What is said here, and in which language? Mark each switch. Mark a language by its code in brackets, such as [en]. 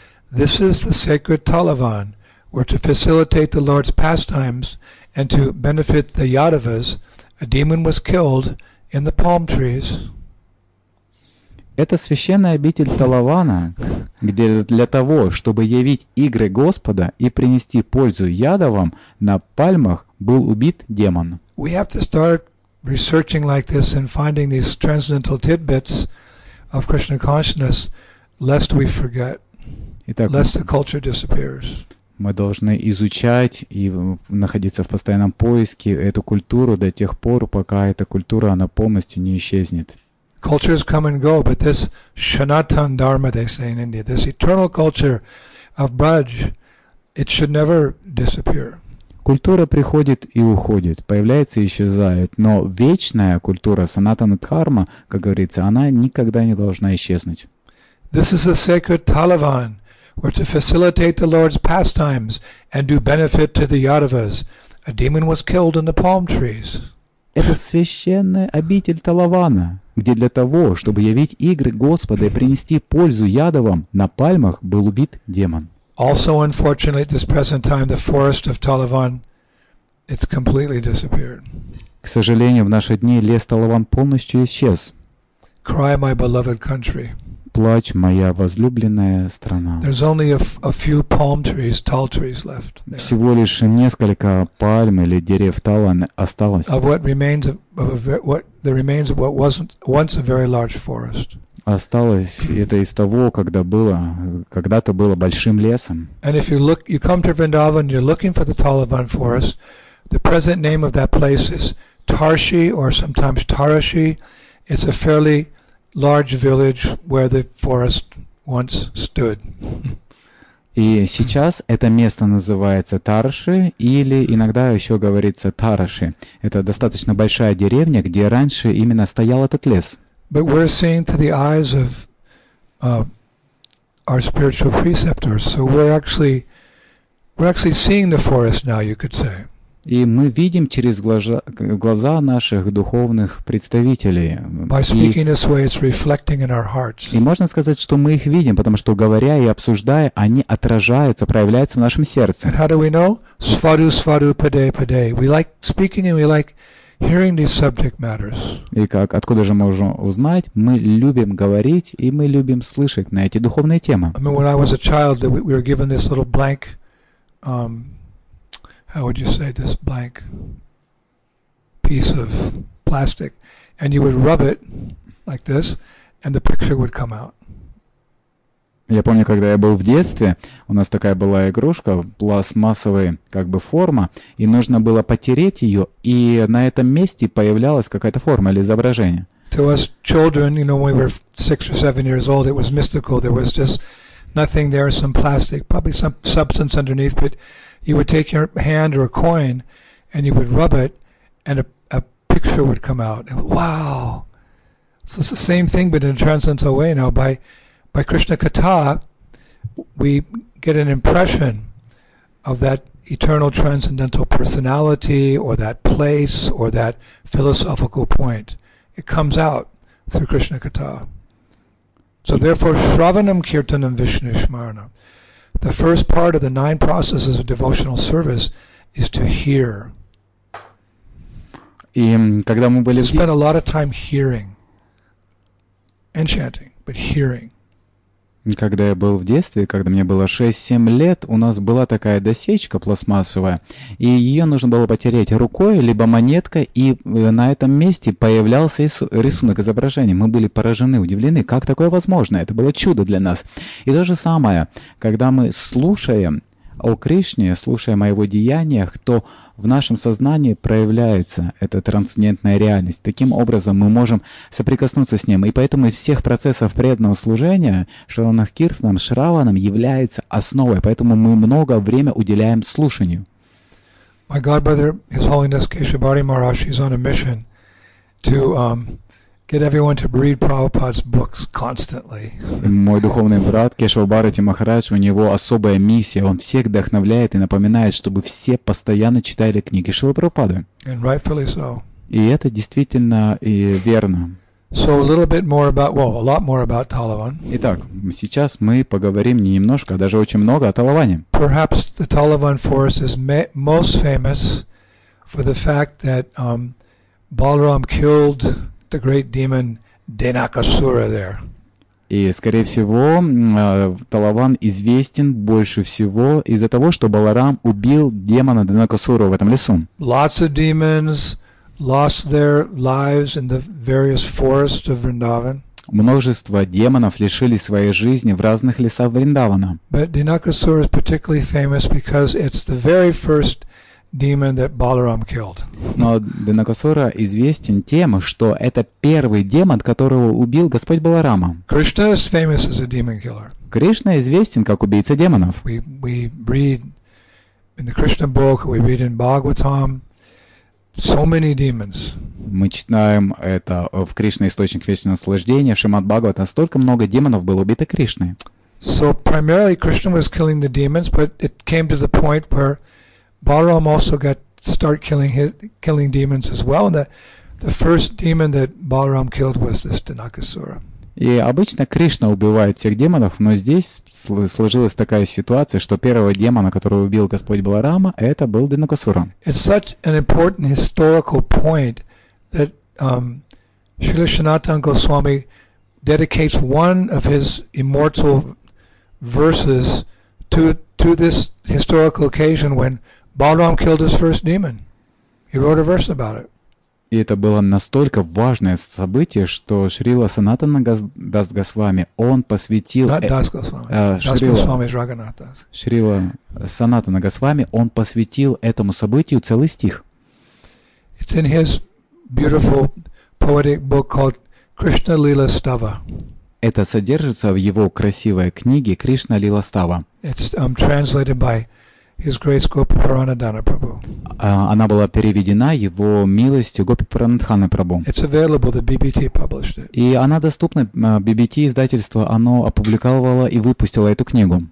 [en] This is the sacred Talavan, where to facilitate the Lord's pastimes and to benefit the Yadavas, a demon was killed in the palm trees. [ru] Это священная обитель Талавана, где для того, чтобы явить игры Господа и принести пользу Ядавам, на пальмах был убит демон. [en] We have to start researching like this and finding these transcendental tidbits of Krishna consciousness, lest we forget, [ru] Итак, [en] lest the culture disappears. [ru] Мы должны изучать и находиться в постоянном поиске эту культуру до тех пор, пока эта культура она полностью не исчезнет. [en] Cultures come and go, but this Sanatan Dharma, they say in India, this eternal culture of Braj, it should never disappear. [ru] Культура приходит и уходит, появляется и исчезает, но вечная культура, Санатана Дхарма, как говорится, она никогда не должна исчезнуть. [en] This is a sacred Talavan, where to facilitate the Lord's pastimes and do benefit to the Yadavas, a demon was killed in the palm trees. [ru] Это священная обитель Талавана, где для того, чтобы явить игры Господа и принести пользу Ядавам, на пальмах был убит демон. [en] Also, unfortunately, at this present time, the forest of Talavan, it's completely disappeared. [ru] К сожалению, в наши дни лес Талаван полностью исчез. [en] Cry, my beloved country. [ru] Плачь, моя возлюбленная страна. [en] There's only a few palm trees, tall trees left. [ru] Всего лишь несколько пальм или дерев Талан осталось. [en] Of what remains of what the remains of what wasn't once a very large forest. [ru] Осталось это из того, когда-то было большим лесом. [en] And if you look, you come to Vrindavan, you're looking for the Talavan forest. The present name of that place is Tarshi or sometimes Tarashi. It's a fairly large village where the forest once stood. [ru] И сейчас это место называется Тарши, или иногда еще говорится Тараши. Это достаточно большая деревня, где раньше именно стоял этот лес. [en] But we're seeing to the eyes of our spiritual preceptors, so we're actually seeing the forest now, you could say. [ru] И мы видим через глаза наших духовных представителей. [en] By speaking this way, it's reflecting in our hearts. [ru] И можно сказать, что мы их видим, потому что говоря и обсуждая, они отражаются, проявляются в нашем сердце. [en] And how do we know? [sa] Svaru, svaru, pade, pade. [en] We like speaking and we like hearing these subject matters. [ru] И как, откуда же мы можем узнать? Мы любим говорить и мы любим слышать на эти духовные темы. [en] I mean, when I was a child, we were given this little blank, how would you say this blank piece of plastic, and you would rub it like this, and the picture would come out. [ru] Я помню, когда я был в детстве, у нас такая была игрушка, пластмассовая как бы форма, и нужно было потереть ее, и на этом месте появлялась какая-то форма или изображение. [en] To us children, you know, when we were 6 or 7 years old, it was mystical. There was just nothing there, some plastic, probably some substance underneath, but you would take your hand or a coin, and you would rub it, and a picture would come out. And, wow! So it's the same thing, but in a transcendental way now. By Krishna Katha, we get an impression of that eternal transcendental personality or that place or that philosophical point. It comes out through Krishna Katha. So therefore, [sa] Shravanam Kirtanam Vishnu Smaranam. [en] The first part of the 9 processes of devotional service is to hear. [ru] И когда мы были... [en] To spend a lot of time hearing and chanting, but hearing. [ru] Когда я был в детстве, когда мне было 6-7 лет, у нас была такая дощечка пластмассовая, и ее нужно было потереть рукой, либо монеткой, и на этом месте появлялся рисунок, изображение. Мы были поражены, удивлены. Как такое возможно? Это было чудо для нас. И то же самое, когда мы слушаем, о Кришне, слушая о его деяниях, то в нашем сознании проявляется эта трансцендентная реальность. Таким образом, мы можем соприкоснуться с ним. И поэтому из всех процессов преданного служения Шраванахкиртанам, Шраванам является основой. Поэтому мы много времени уделяем слушанию. [en] My godbrother, His Holiness Keshavardhan Maharaj, he's on a mission to get everyone to read Prabhupada's books constantly. [ru] Мой духовный брат Кешавабарати Махарадж, у него особая миссия. Он всех вдохновляет и напоминает, чтобы все постоянно читали книги Шрилы Прабхупады. [en] And rightfully so. [ru] И это действительно и верно. [en] So a little bit more about, well, a lot more about Talavan. [ru] Итак, сейчас мы поговорим не немножко, а даже очень много о Талаване. [en] Perhaps the Talavan forest is most famous for the fact that Balaram killed the great demon Denakasura there. [ru] И, скорее всего, Талаван известен больше всего из-за того, что Баларам убил демона Денакасуру в этом лесу. [en] Lots of demons lost their lives in the various forests of Vrindavan. [ru] Множество демонов лишили своей жизни в разных лесах Вриндавана. [en] But Denakasura is particularly famous because it's the very first demon that Balaram killed. [ru] Но Денакасура известен тем, что это первый демон, которого убил Господь Баларама. [en] Krishna is famous as a demon killer. [ru] Кришна известен как убийца демонов. [en] We read in the Krishna book, we read in Bhagavatam, so many demons. [ru] Мы читаем это в Кришна источник вечного наслаждения, в Шримад Бхагаватам, столько много демонов было убито Кришной. [en] So primarily Krishna was killing the demons, but it came to the point where Balaram also got start killing demons as well. And the first demon that Balaram killed was this Denakasura. [ru] И обычно Кришна убивает всех демонов, но здесь сложилась такая ситуация, что первого демона, которого убил Господь Баларама, это был Денакасура. [en] It's such an important historical point that Śrīla Sanatana Goswami dedicates one of his immortal verses to this historical occasion when Balaram killed his first demon. He wrote a verse about it. [ru] И это было настолько важное событие, что Шрила Санатана Дас Госвами, он посвятил... Шрила Санатана Госвами, он посвятил этому событию целый стих. [en] It's in his beautiful poetic book called Krishna Lila Stava. [ru] Это содержится в его красивой книге Кришна Лила Става. [en] It's translated by His Grace Gopi Paranadhana Prabhu. [ru] Она была переведена его милостью Гопи Паранадхана Прабху. [en] It's available, the BBT published it. [ru] И она доступна, BBT издательство, оно опубликовало и выпустило эту книгу.